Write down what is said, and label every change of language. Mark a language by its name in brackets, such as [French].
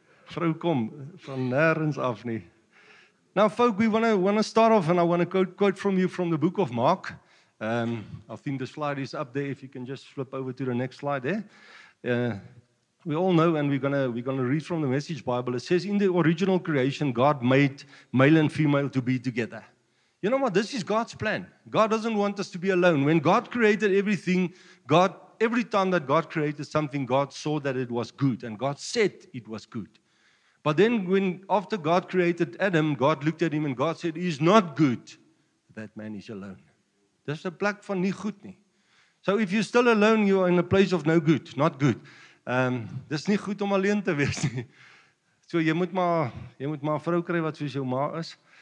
[Afrikaans] Vrou kom van nêrens af nie. [English] Now, folk, we want to start off, and I want to quote from you from the book of Mark. I think the slide is up there. If you can just flip over to the next slide there. We all know, and we're gonna read from the Message Bible. It says, "In the original creation, God made male and female to be together." You know what? This is God's plan. God doesn't want us to be alone. When God created everything, every time that God created something, God saw that it was good, and God said it was good. But then after God created Adam, God looked at him and God said, "It is not good that man is alone." [Afrikaans] Dis 'n plek van nie goed nie. [English] So if you're still alone, you are in a place of no good, not good. [Afrikaans] Dis nie goed om alleen te wees nie. So jy moet maar 'n vrou kry wat soos jou ma is.